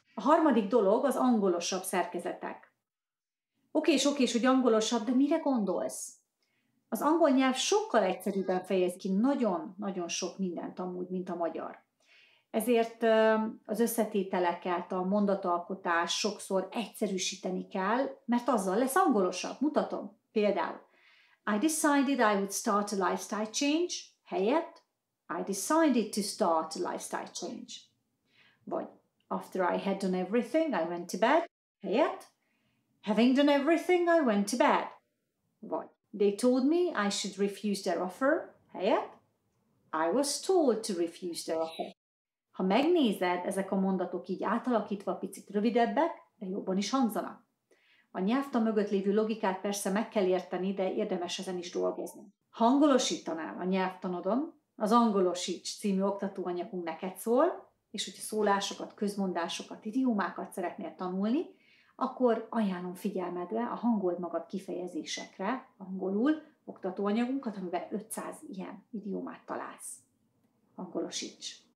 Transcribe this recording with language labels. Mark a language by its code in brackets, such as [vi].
[hu] A harmadik dolog az angolosabb szerkezetek. Okés, hogy angolosabb, de mire gondolsz? Az angol nyelv sokkal egyszerűbben fejez ki nagyon-nagyon sok mindent amúgy, mint a magyar. Ezért az összetételeket, a mondatalkotás sokszor egyszerűsíteni kell, mert azzal lesz angolosabb. Mutatom. [en] Például, I decided I would start a lifestyle change, helyett I decided to start a lifestyle change. Vagy, after I had done everything, I went to bed, helyett having done everything, I went to bed. Vagy, they told me I should refuse their offer, helyett I was told to refuse their offer. [hu] Ha megnézed, ezek a mondatok így átalakítva picit rövidebbek, de jobban is hangzanak. A nyelvtan mögött lévő logikát persze meg kell érteni, de érdemes ezen is dolgozni. Ha angolosítanál a nyelvtanodon, az Angolosíts című oktatóanyagunk neked szól, és hogyha szólásokat, közmondásokat, idiómákat szeretnél tanulni, akkor ajánlom figyelmedre a Hangold magad kifejezésekre, angolul, oktatóanyagunkat, amiben 500 ilyen idiómát találsz. Angolosíts!